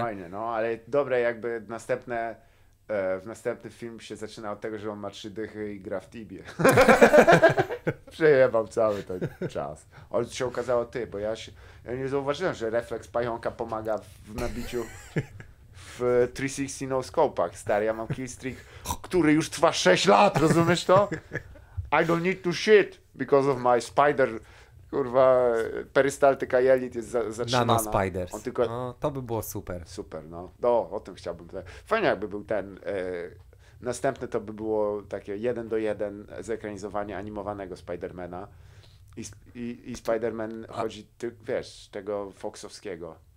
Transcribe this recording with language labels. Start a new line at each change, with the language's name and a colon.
Polish: Fajnie, no ale dobre jakby następne... W następny film się zaczyna od tego, że on ma trzy dychy i gra w Tibie. Przejebał cały ten czas. Ale się okazało, ty, bo ja nie zauważyłem, że refleks pająka pomaga w nabiciu w 360 no scope'ach. Stary, ja mam killstreak, który już trwa 6 lat, rozumiesz to?
English: I don't need to shit because of my spider.
Polish: Kurwa, perystaltyka jelit jest zatrzymana. Nano Spiders. On tylko... no, to by było super. Super, no. No, o tym chciałbym. Fajnie, jakby był ten. Następny to by było takie 1:1 zekranizowanie animowanego Spidermana. I Spiderman chodzi, wiesz, tego foxowskiego.